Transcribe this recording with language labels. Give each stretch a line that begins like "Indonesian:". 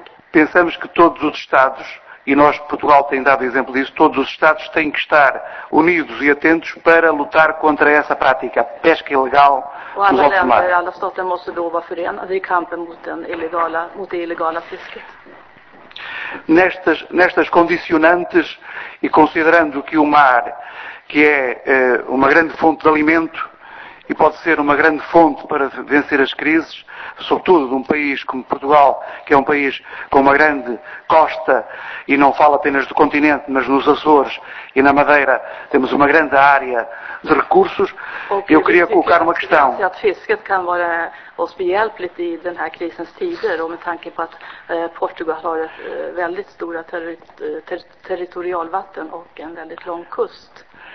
Portuguese: Pensamos que todos os Estados, e nós, Portugal, tem dado exemplo disso, todos os Estados têm que estar unidos e atentos para lutar contra essa prática, a pesca ilegal nos altos mares.
Swedish: Alla stater måste då vara förenade i kampen mot det illegala fisket.
Portuguese: Nestas condicionantes, e considerando que o mar, que é uma grande fonte de alimento e pode ser uma grande fonte para vencer as crises, sobretudo de um país como Portugal, que é um país com uma grande costa, e não falo apenas do continente, mas nos Açores e na Madeira, temos uma grande área de recursos, eu queria colocar uma questão. Eu acho que o
Swedish: fisket
Portuguese: pode ser
Swedish: oss behjälpligt i den här krisens tider, och med tanke på att Portugal har väldigt stora territorialvatten och en väldigt lång kust.